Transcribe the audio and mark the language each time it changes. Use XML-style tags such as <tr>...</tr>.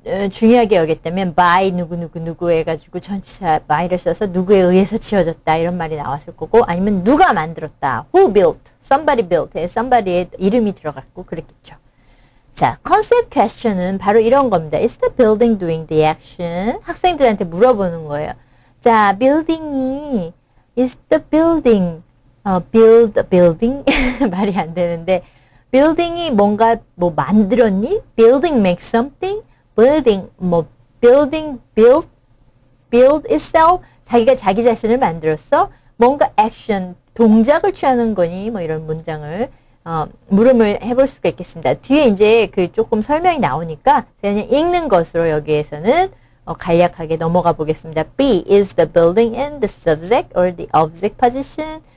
<ko>중요하게 여겼다면 by 누구누구누구 해가지고 전치사 by를 써서 누구에 의해서 지어졌다 이런 말이 나왔을 거고 아니면 누가 만들었다</ko> <en>who built, somebody built somebody</en> <ko>의 이름이 들어갔고 그랬겠죠.</ko> <en>자, concept question은</en> <ko>바로 이런 겁니다.</ko> <en>Is the building doing the action?</en> <ko>학생들한테 물어보는 거예요.</ko> <en>자, building이 is the building build a building?</en> <ko>말이 안 되는데 building이 뭔가 뭐 만들었니?</ko> <en>building make something? building, 뭐, building, build, build itself,</en> <ko>자기가 자기 자신을 만들었어? 뭔가 action, 동작을 취하는 거니? 뭐 이런 문장을, 물음을 해볼 수가 있겠습니다. 뒤에 이제 그 조금 설명이 나오니까, 제가 그냥 읽는 것으로 여기에서는 간략하게 넘어가 보겠습니다.</ko> <en>B, is the building in the subject or the object position?</en>